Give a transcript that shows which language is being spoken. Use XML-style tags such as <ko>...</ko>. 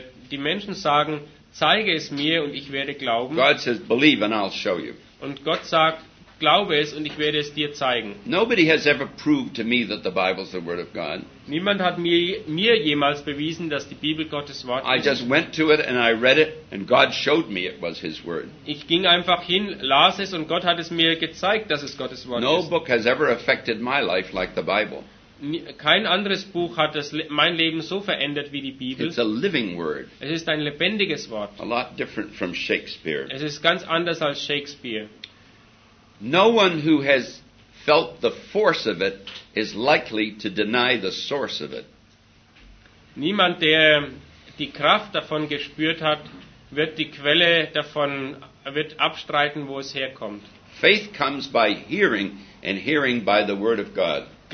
<de>Die Menschen sagen, zeige es mir und ich werde glauben.</de> <en>God says, believe and I'll show you.</en> <de>Und Gott sagt, glaube es und ich werde es dir zeigen.</de> <en>Nobody has ever proved to me that the Bible is the Word of God.</en> <de>Niemand hat mir jemals bewiesen, dass die Bibel Gottes Wort ist.</de> <en>I just went to it and I read it and God showed me it was His Word.</en> <de>Ich ging einfach hin, las es und Gott hat es mir gezeigt, dass es Gottes Wort ist.</de> <en>No book has ever affected my life like the Bible.</en> <de>Kein anderes Buch hat mein Leben so verändert wie die Bibel.</de> <en>It's a living word.</en> <de>Es ist ein lebendiges Wort.</de> <en>A lot different from Shakespeare.</en> <de>Es ist ganz anders als Shakespeare.</de> <en>No one who has felt the force of it is likely to deny the source of it.</en> <de>Niemand, der die Kraft davon gespürt hat, wird die Quelle davon wird abstreiten, wo es herkommt.</de> <en>Faith comes by hearing, and hearing by the Word of God.</en>